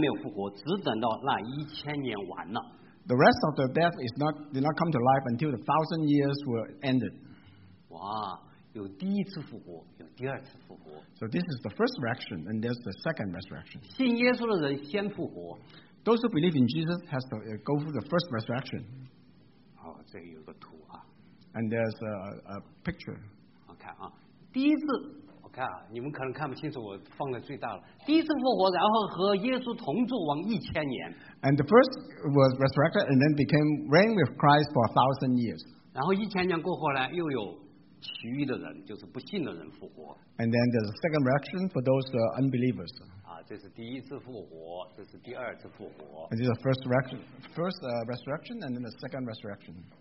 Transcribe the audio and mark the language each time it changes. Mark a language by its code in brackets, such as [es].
[zh] 其余的死人还没有复活，只等到那1000年完了。 [en] The rest of the death is not did not come to life until the 1,000 years were ended. [zh] 哇，有第一次复活，有第二次复活。 [en] So this is the first resurrection, and there's the second resurrection. [zh] 信耶稣的人先复活。 [en] Those who believe in Jesus has to go through the first resurrection. [zh] 哦，这里有个图啊。 [en] And there's a picture. [zh] 我看啊，第一次，我看啊，你们可能看不清楚，我放的最大了。第一次复活，然后和耶稣同住，往1000年。 [en] And the first was resurrected and then became reigned with Christ for 1,000 years. [zh] 然后1000年过后呢，又有其余的人，就是不信的人复活。 [en] And then there's a second resurrection for those unbelievers. [zh] 啊，这是第一次复活，这是第二次复活。 [en] And this is the first resurrection and then the second resurrection.